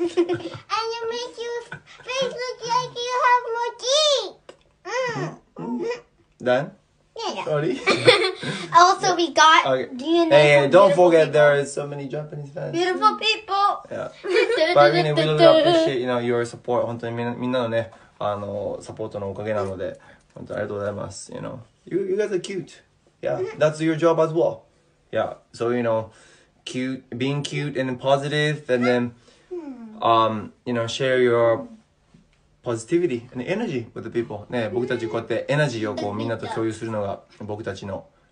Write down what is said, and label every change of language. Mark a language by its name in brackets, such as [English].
[English] And you make your face look like you have more teeth. Mm. Done? Yeah. Sorry. Also, yeah. We got... Okay. Hey, don't forget people. There are so many Japanese fans. Beautiful people. Yeah. But I mean, we really appreciate, you know, your support. [Japanese] 本当にみんなのね、あの、サポートのおかげなので、本当にありがとうございます。 [English] You know, you guys are cute. Yeah, that's your job as well. Yeah, so, you know... cute, being cute and positive, and then, you know, share your positivity and energy with the people. [Japanese] ね、僕たちこうやってエナジーをこうみんなと共有するのが僕たちの、